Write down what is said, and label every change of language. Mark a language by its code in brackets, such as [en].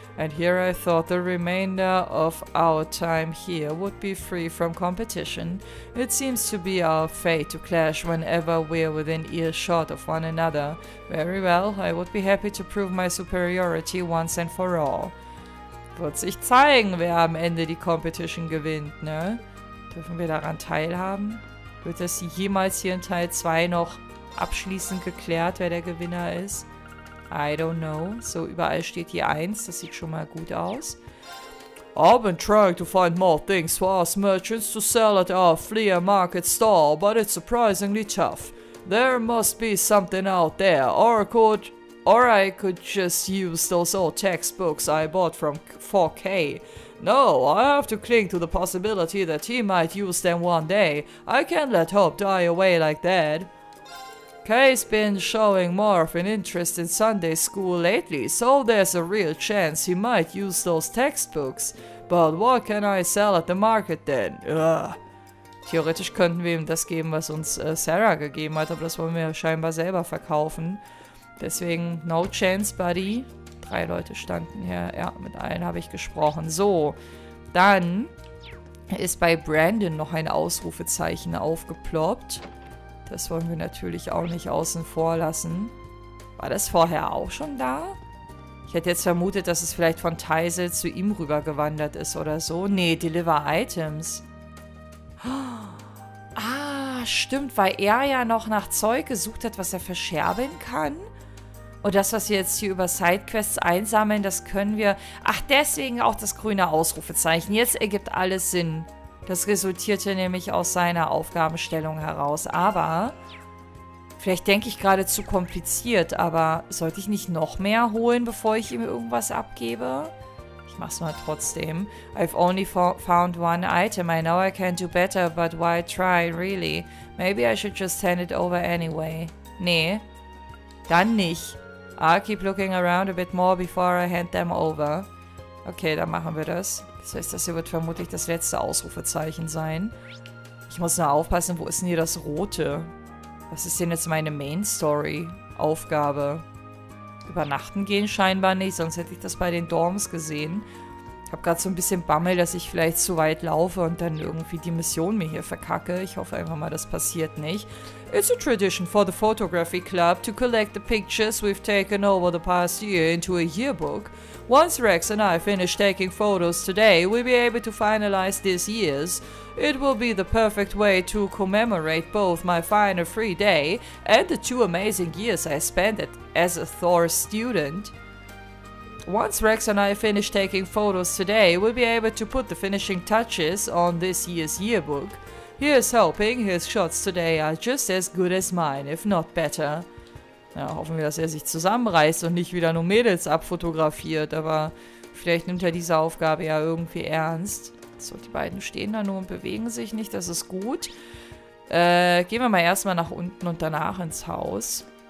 [en] And here I thought the remainder of our time here would be free from competition. It seems to be our fate to clash whenever we're within earshot of one another. Very well, I would be happy to prove my superiority once and for all. [de] Wird sich zeigen, wer am Ende die Competition gewinnt, ne? Dürfen wir daran teilhaben? Wird das jemals hier in Teil 2 noch abschließend geklärt, wer der Gewinner ist? [en] I don't know. [de] So, überall steht die 1. Das sieht schon mal gut aus. [en] I've been trying to find more things for us merchants to sell at our flea market stall, but it's surprisingly tough. There must be something out there, or I could just use those old textbooks I bought from 4K. No, I have to cling to the possibility that he might use them one day. I can't let hope die away like that. Kay's been showing more of an interest in Sunday school lately, so there's a real chance he might use those textbooks. But what can I sell at the market then? Ugh. [de] Theoretisch könnten wir ihm das geben, was uns Sarah gegeben hat, aber das wollen wir scheinbar selber verkaufen. Deswegen, [en] no chance, buddy. [de] Drei Leute standen hier. Ja, mit allen habe ich gesprochen. So, dann ist bei Brandon noch ein Ausrufezeichen aufgeploppt. Das wollen wir natürlich auch nicht außen vor lassen. War das vorher auch schon da? Ich hätte jetzt vermutet, dass es vielleicht von Teisel zu ihm rübergewandert ist oder so. Nee, Deliver Items. Ah, stimmt, weil er ja noch nach Zeug gesucht hat, was er verscherbeln kann. Und das, was wir jetzt hier über Sidequests einsammeln, das können wir... Ach, deswegen auch das grüne Ausrufezeichen. Jetzt ergibt alles Sinn. Das resultierte nämlich aus seiner Aufgabenstellung heraus. Aber, vielleicht denke ich gerade zu kompliziert, aber sollte ich nicht noch mehr holen, bevor ich ihm irgendwas abgebe? Ich mach's mal trotzdem. [en] I've only found one item. I know I can't do better, but why try, really? Maybe I should just hand it over anyway. [de] Nee, dann nicht. [en] I'll keep looking around a bit more before I hand them over. [de] Okay, dann machen wir das. Das heißt, das hier wird vermutlich das letzte Ausrufezeichen sein. Ich muss nur aufpassen, wo ist denn hier das Rote? Was ist denn jetzt meine Main-Story-Aufgabe? Übernachten gehen scheinbar nicht, sonst hätte ich das bei den Dorms gesehen. Ich habe gerade so ein bisschen Bammel, dass ich vielleicht zu weit laufe und dann irgendwie die Mission mir hier verkacke. Ich hoffe einfach mal, das passiert nicht. [en] It's a tradition for the photography club to collect the pictures we've taken over the past year into a yearbook. Once Rex and I finish taking photos today, we'll be able to finalize this year's. It will be the perfect way to commemorate both my final free day and the two amazing years I spent as a Thor student. Once Rex and I finish taking photos today, we'll be able to put the finishing touches on this year's yearbook. Here's hoping his shots today are just as good as mine, if not better. [de] Ja, hoffen wir, dass er sich zusammenreißt und nicht wieder nur Mädels abfotografiert, aber vielleicht nimmt er diese Aufgabe ja irgendwie ernst. So, die beiden stehen da nur und bewegen sich nicht, das ist gut. Gehen wir mal erstmal nach unten und danach ins Haus.